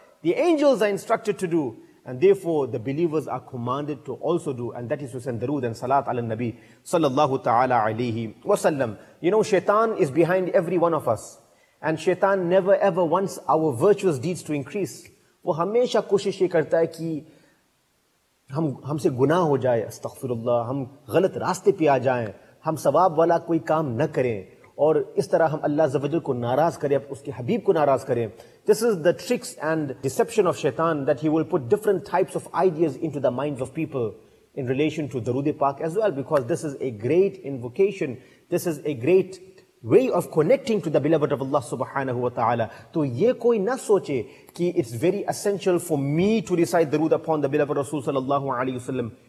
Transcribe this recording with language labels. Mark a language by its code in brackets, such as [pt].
[en] The angels are instructed to do, and therefore the believers are commanded to also do, and that is to send darood and salat ala nabi sallallahu ta'ala alayhi wa sallam. You know, shaitan is behind every one of us, and shaitan never ever wants our virtuous deeds to increase. [ur] Wo hamesha koshish ye karta hai ki ہم سے گناہ ہو جائے, استغفر اللہ, ہم غلط راستے پہ آ جائیں, ہم ثواب والا کوئی کام نہ کریں, اور اس طرح ہم اللہ عزوجل کو ناراض کریں, اس کے حبیب کو ناراض کریں. [en] This is the tricks and deception of shaitan, that he will put different types of ideas into the minds of people in relation to durood pak as well, because this is a great invocation, this is a great way of connecting to the beloved of Allah subhanahu wa ta'ala. [ur] To ye koi na soche ki [en] it's very essential for me to recite durood upon the beloved Rasul sallallahu alayhi wa sallam.